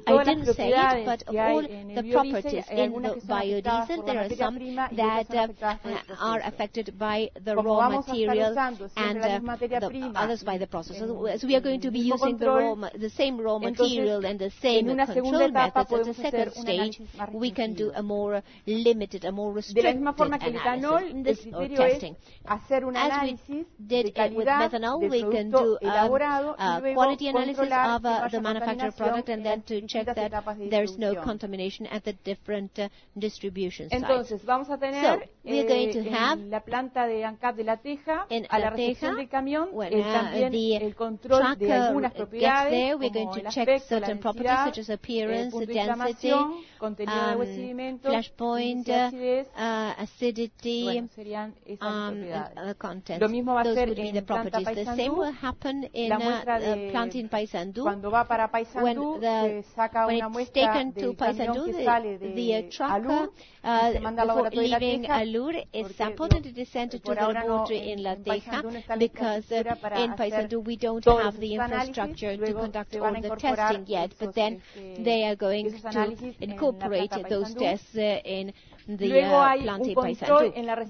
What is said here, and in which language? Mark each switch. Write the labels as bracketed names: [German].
[English] I didn't say it, but all the properties in the biodiesel, there are some that are affected by the raw material and the others by the process. So we are going to be using the same raw material and the same control methods. At the second stage, we can do a more limited, a more restricted [Spanish] misma forma que el etanol, el criterio es hacer un análisis de calidad del producto elaborado y luego controlar [English] the manufactured product and then to check that there's no contamination at the different distribution sites. [Spanish] Entonces, vamos a tener la planta de ANCAP de La Teja a la recepción del camión también el control de algunas propiedades como el aspecto, la densidad, el punto de inflamación, contenido de agua y sedimento, [English] flash point, acidity, [Spanish] lo mismo va a ser en la planta Paysandú, la muestra de [English] plant in Paysandú. [Spanish] Cuando va para Paysandú, saca una muestra del camión Paysandú, que sale de Alur, se manda al laboratorio de La Teja. [English] Alur, it's important it is sent to the laboratory in La Teja, because in Paysandú we don't have the infrastructure to conduct all the testing yet, but then they are going to incorporate those tests in the plant in Paysandú.